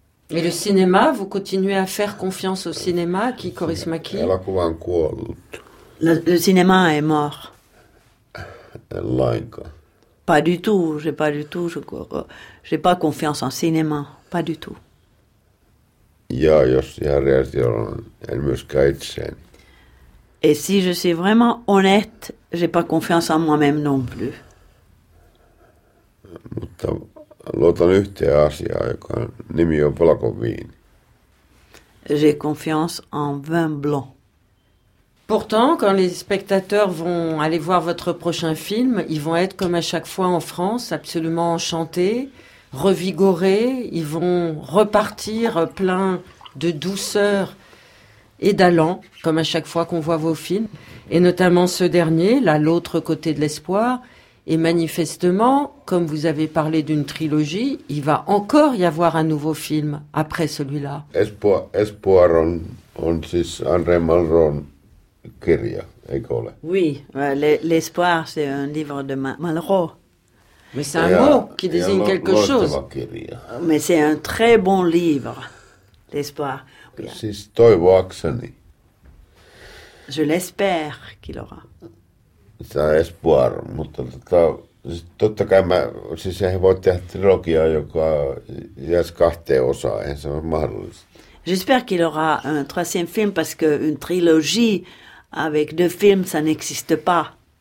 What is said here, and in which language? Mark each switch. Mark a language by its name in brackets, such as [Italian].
[French] Et le cinéma, vous continuez à faire confiance au cinéma, qui corrisme à qui? [Finnish] Elokuva on kuollut. [French] Le cinéma est mort. [Finnish] Lainkaan. [French] Pas du tout, j'ai pas du tout, j'ai pas confiance en cinéma, pas du tout. [Finnish] Ja jos järjestelmä, en myöskään itseäni. [French] Et si je suis vraiment honnête, j'ai pas confiance en moi-même non plus. [Finnish] Mutta luotan yhteen asiaan, joka nimi on Valkoviini. [French] J'ai confiance en vin blanc. Pourtant, quand les spectateurs vont aller voir votre prochain film, ils vont être comme à chaque fois en France, absolument enchantés, revigorés. Ils vont repartir pleins de douceur et d'allant, comme à chaque fois qu'on voit vos films. Et notamment ce dernier, là, l'autre côté de l'espoir. Et manifestement, comme vous avez parlé d'une trilogie, il va encore y avoir un nouveau film après celui-là. Espoir, on dit André Malraux. [Finnish] Kirja, eikö ole? [French] Oui, l'espoir, c'est un livre de Malraux. Mais c'est un mot qui désigne quelque chose. [Finnish] Kirja. [French] Mais c'est un très bon livre, l'espoir. [Finnish] Oui. Siis toivoakseni. [French] Je l'espère qu'il aura. [Finnish] Se on espoir, mutta totta kai mä, siis ei voi tehdä trilogiaa, joka jäisi kahteen osaan, eihän se ole mahdollista. [French] J'espère qu'il aura un troisième film parce que une trilogie avec deux films, ça n'existe pas.